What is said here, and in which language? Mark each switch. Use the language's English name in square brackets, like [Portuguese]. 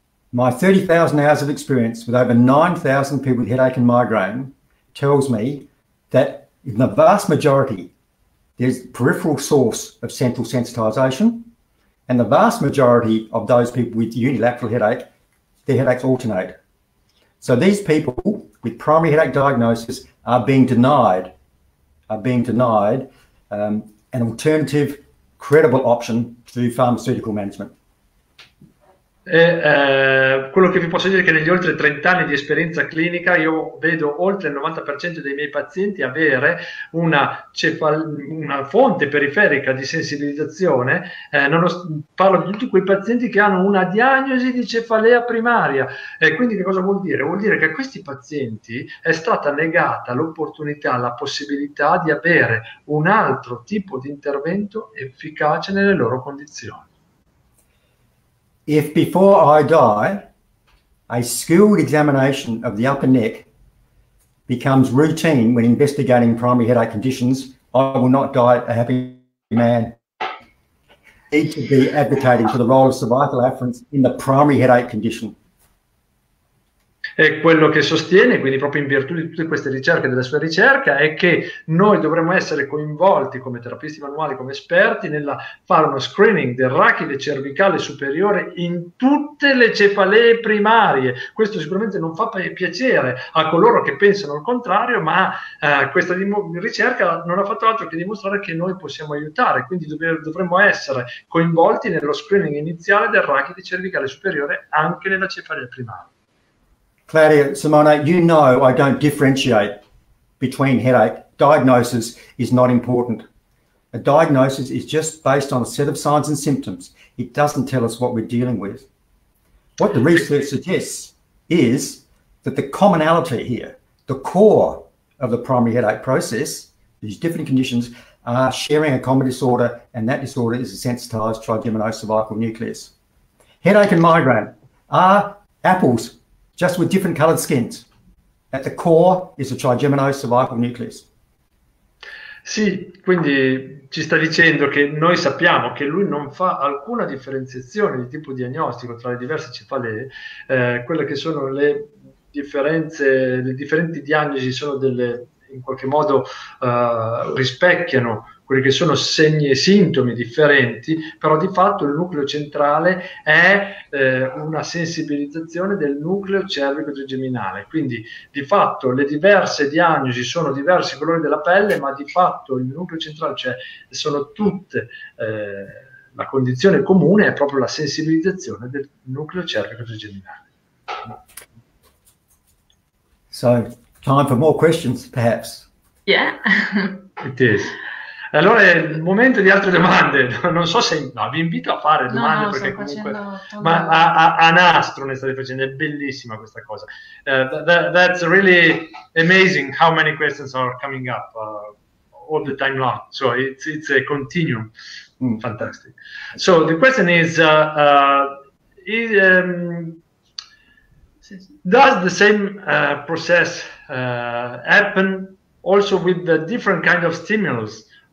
[English] My 30,000 hours of experience with over 9,000 people with headache and migraine tells me that in the vast majority there's a peripheral source of central sensitization. And the vast majority of those people with unilateral headache, their headaches alternate. So these people with primary headache diagnosis are being denied an alternative, credible option to pharmaceutical management. [Italian] Quello che vi posso dire è che negli oltre 30 anni di esperienza clinica io vedo oltre il 90% dei miei pazienti avere una fonte periferica di sensibilizzazione, parlo di tutti quei pazienti che hanno una diagnosi di cefalea primaria. Quindi che cosa vuol dire? Vuol dire che a questi pazienti è stata negata l'opportunità, la possibilità di avere un altro tipo di intervento efficace nelle loro condizioni. [English] If before I die, a skilled examination of the upper neck becomes routine when investigating primary headache conditions, I will not die a happy man. Need to be advocating for the role of cervical afferents in the primary headache condition. [Italian] E quello che sostiene, quindi proprio in virtù di tutte queste ricerche, della sua ricerca, è che noi dovremmo essere coinvolti come terapisti manuali, come esperti, nella fare uno screening del rachide cervicale superiore in tutte le cefalee primarie. Questo sicuramente non fa piacere a coloro che pensano al contrario, ma questa ricerca non ha fatto altro che dimostrare che noi possiamo aiutare, quindi dovremmo essere coinvolti nello screening iniziale del rachide cervicale superiore anche nella cefalea primaria. [English] Claudia, Simona, you know I don't differentiate between headache. Diagnosis is not important. A diagnosis is just based on a set of signs and symptoms. It doesn't tell us what we're dealing with. What the research suggests is that the commonality here, the core of the primary headache process, these different conditions are sharing a common disorder, and that disorder is a sensitized trigeminal cervical nucleus. Headache and migraine are apples just with different colored skins. At the core is a trigeminal cervical nucleus. [Italian] Sì, quindi ci sta dicendo che noi sappiamo che lui non fa alcuna differenziazione di tipo diagnostico tra le diverse cefalee, quelle che sono le differenze, le differenti diagnosi sono delle, in qualche modo rispecchiano quelli che sono segni e sintomi differenti, però di fatto il nucleo centrale è una sensibilizzazione del nucleo cervico trigeminale. Quindi di fatto le diverse diagnosi sono diversi colori della pelle, ma di fatto il nucleo centrale, cioè sono tutte, la condizione comune è proprio la sensibilizzazione del nucleo cervico trigeminale. [English] So, time for more questions, perhaps. Yeah. It is. [Italian] Allora è il momento di altre domande. Non so se. No, vi invito a fare domande, no, perché comunque. Ma a nastro ne state facendo, è bellissima questa cosa. [English] That's really amazing how many questions are coming up all the time long. So it's a continuum. Mm. Fantastic. So the question is. Does the same process happen also with the different kind of stimulus?